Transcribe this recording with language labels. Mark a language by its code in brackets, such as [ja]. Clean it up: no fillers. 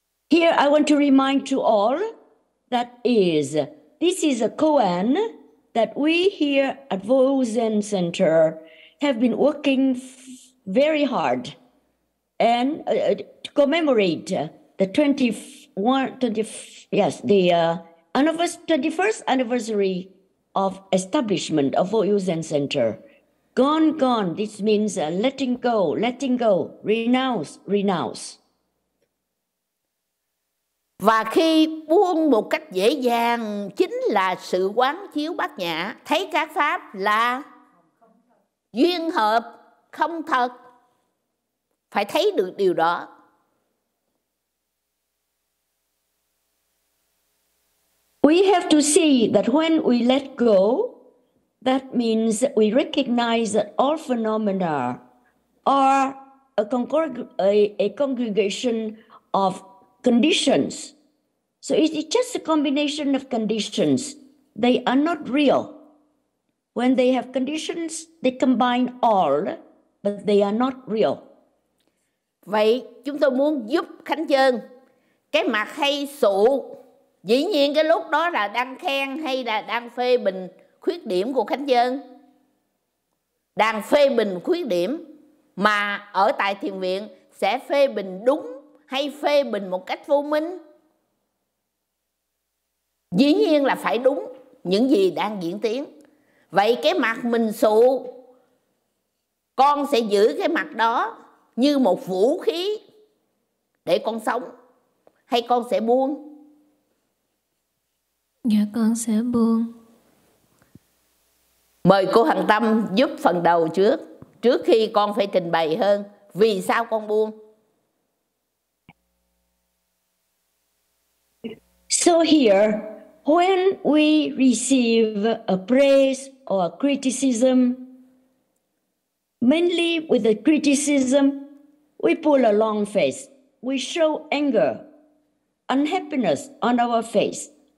[en] Here I want to remind to all that is, this is a koan that we here at Vô U Zen Center have been working very hard and to commemorate the 21st anniversary of establishment of Vô U Zen Center. Gone, gone, this means letting go, renounce, renounce. [vi] Và khi buông một cách dễ dàng chính là sự quán chiếu Bát Nhã, thấy các pháp là duyên hợp không thật, phải thấy được điều đó. [en] We have to see that when we let go, that means that we recognize that all phenomena are a congregation of conditions. So it's just a combination of conditions. They are not real. When they have conditions, they combine all, but they are not real. [vi] Vậy chúng tôi muốn giúp Khánh Chơn. Cái mặt hay sụ, dĩ nhiên cái lúc đó là đang khen hay là đang phê bình khuyết điểm của Khánh Chơn. Đang phê bình khuyết điểm mà ở tại thiền viện sẽ phê bình đúng hay phê bình một cách vô minh. Dĩ nhiên là phải đúng những gì đang diễn tiến. Vậy cái mặt mình sụ, con sẽ giữ cái mặt đó như một vũ khí để con sống, hay con sẽ buông? Dạ con sẽ buông. Mời cô Hằng Tâm giúp phần đầu trước, trước khi con phải trình bày hơn vì sao con buông. [en] So here, when we receive a praise or a criticism, mainly with the criticism, we pull a long face. We show anger, unhappiness on our face.